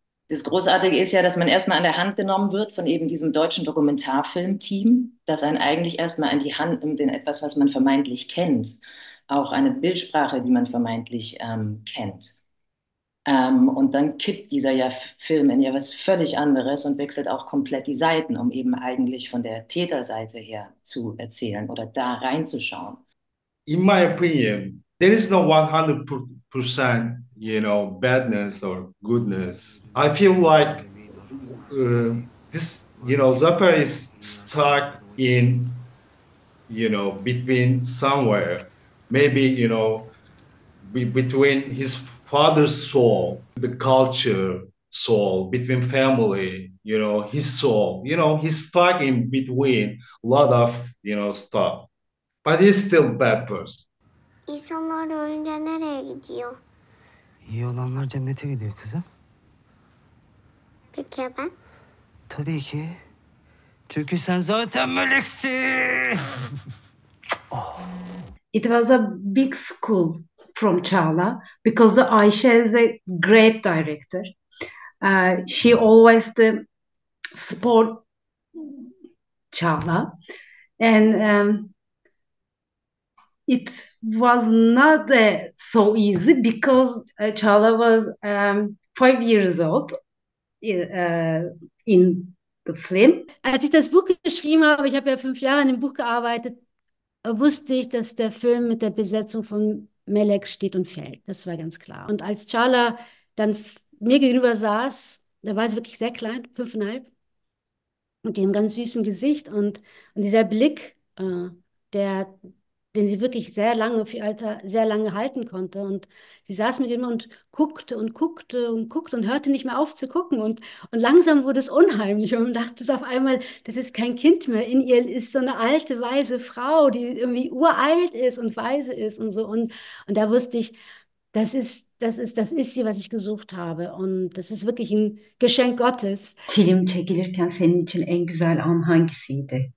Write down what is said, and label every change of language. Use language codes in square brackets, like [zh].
[de] Das Großartige ist ja, dass man erstmal an der Hand genommen wird von eben diesem deutschen Dokumentarfilmteam, das einen eigentlich erstmal an die Hand nimmt in etwas, was man vermeintlich kennt, auch eine Bildsprache, die man vermeintlich kennt. Und dann kippt dieser ja Film in ja was völlig anderes und wechselt auch komplett die Seiten, um eben eigentlich von der Täterseite her zu erzählen oder da reinzuschauen. [en] In my opinion, there is no 100%, you know, badness or goodness. I feel like this, you know, Zafer is stuck in, you know, between somewhere. Maybe, you know, between his father's soul, the culture soul, between family, you know, his soul. You know, he's stuck in between a lot of, you know, stuff. But he's still a bad person. [tr] İnsanlar ölünce nereye gidiyor? İyi olanlar cennete gidiyor kızım. Peki ya ben? Tabii ki. Çünkü sen zaten meleksin. Oh. [en] It was a big school from Çağla because the Ayşe is a great director. She always the support Çağla. And it was not so easy because Çağla was 5 years old in the film. [de] Als ich das Buch geschrieben habe, ich habe ja 5 Jahre an dem Buch gearbeitet, wusste ich, dass der Film mit der Besetzung von Melek steht und fällt. Das war ganz klar. Und als Çağla dann mir gegenüber saß, da war sie wirklich sehr klein, 5,5, mit dem ganz süßen Gesicht und dieser Blick, den sie wirklich sehr lange für ihr Alter sehr lange halten konnte. Und sie saß mit ihm und guckte und guckte und guckte und hörte nicht mehr auf zu gucken. Und langsam wurde es unheimlich. Und man dachte es auf einmal, das ist kein Kind mehr. In ihr ist so eine alte, weise Frau, die irgendwie uralt ist und weise ist und so. Und da wusste ich, das ist sie, was ich gesucht habe. Und das ist wirklich ein Geschenk Gottes. [tr] Film çekilirken senin için en güzel an hangisiydi?